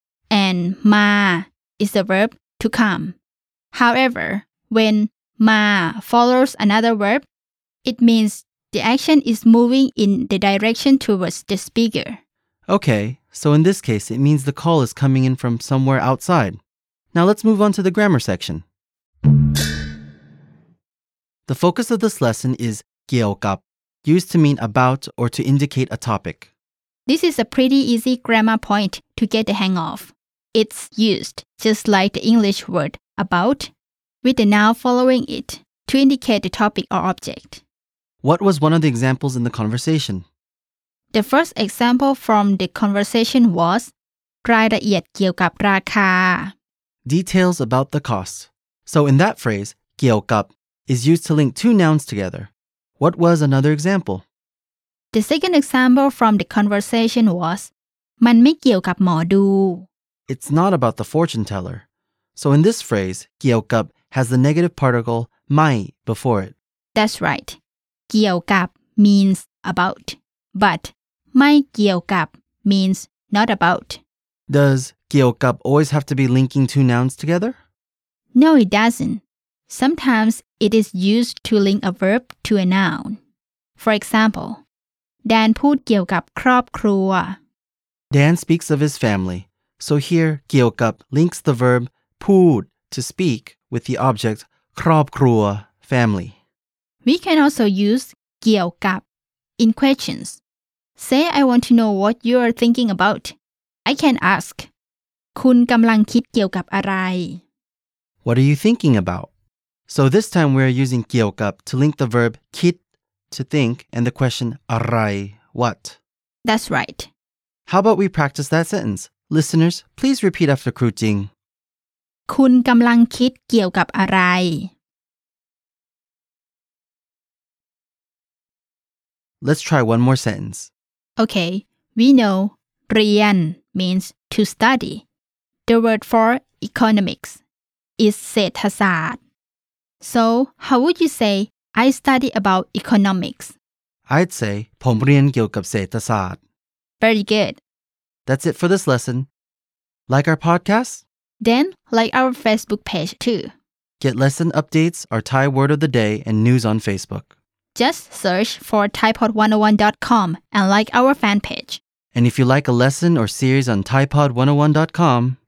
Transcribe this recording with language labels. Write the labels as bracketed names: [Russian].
[English] And มา is the verb,To come. However, when ma follows another verb, it means the action is moving in the direction towards the speaker. Okay, so in this case, it means the call is coming in from somewhere outside. Now let's move on to the grammar section. The focus of this lesson is geokap, used to mean about or to indicate a topic. This is a pretty easy grammar point to get the hang of. It's used, just like the English word about, with the noun following it, to indicate the topic or object. What was one of the examples in the conversation? The first example from the conversation was [Thai] รายละเอียดเกี่ยวกับราคา [English] Details about the cost. So in that phrase, เกี่ยวกับ is used to link two nouns together. What was another example? The second example from the conversation was [Thai] มันไม่เกี่ยวกับหมอดู [English] It's not about the fortune teller. So in this phrase, เกี่ยวกับ has the negative particle ไม่ before it. That's right. เกี่ยวกับ means about. But ไม่เกี่ยวกับ means not about. Does เกี่ยวกับ always have to be linking two nouns together? No, it doesn't. Sometimes it is used to link a verb to a noun. For example, Dan [Thai] พูดเกี่ยวกับครอบครัว [English] Dan speaks of his family. So here, เกี่ยวกับ links the verb พูด to speak with the object ครอบครัว family. We can also use เกี่ยวกับ in questions. Say I want to know what you are thinking about. I can ask, [Thai] คุณกำลังคิดเกี่ยวกับอะไร [English] What are you thinking about? So this time we are using เกี่ยวกับ to link the verb คิด to think and the question อะไร what? That's right. How about we practice that sentence? Listeners, please repeat after Kru Ting. [Thai] คุณกำลังคิดเกี่ยวกับอะไร [English] Let's try one more sentence. Okay, we know เรียน means to study. The word for economics is เศรษฐศาสตร์ So, how would you say I study about economics? I'd say [Thai] ผมเรียนเกี่ยวกับเศรษฐศาสตร์ [English] Very good. That's it for this lesson. Like our podcast? Then, like our Facebook page too. Get lesson updates, our Thai word of the day, and news on Facebook. Just search for ThaiPod101.com and like our fan page. And if you like a lesson or series on ThaiPod101.com,